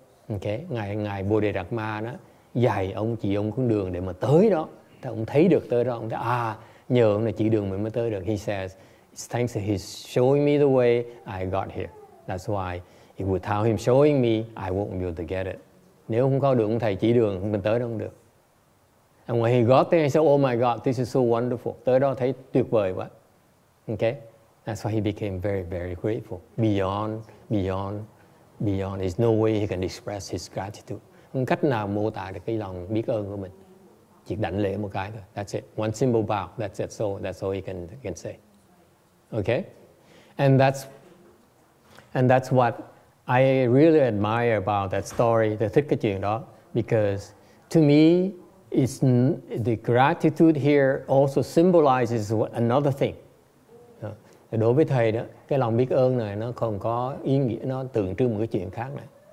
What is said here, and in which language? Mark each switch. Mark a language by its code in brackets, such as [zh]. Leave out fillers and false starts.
[vi] Okay, ngài Bodhidharma đó dạy ông chỉ ông con đường để mà tới đó. Thì ông thấy được tới đó, ông thấy nhờ ông này chỉ đường mình mới tới được. [en] He says, it's thanks to his showing me the way I got here. That's why if without him showing me, I won't be able to get it. [vi] Nếu không có được ông thầy chỉ đường, mình tới đâu không được. [en] And when he got there, he said, oh my God, this is so wonderful. [vi] Tới đó thấy tuyệt vời quá. [en] Okay? That's why he became very, very grateful. Beyond, there's no way he can express his gratitude. [vi] Không cách nào mô tả được cái lòng biết ơn của mình. Chỉ đảnh lễ một cái thôi. [en] That's it. One simple bow. That's it. So that's all he can say. Okay? And that's what I really admire about that story, the [vi] thích cái chuyện đó, [en] because to me, it's the gratitude here also symbolizes another thing. [vi] Đối với thầy đó, cái lòng biết ơn này nó không có ý nghĩa, nó tượng trưng một cái chuyện khác này.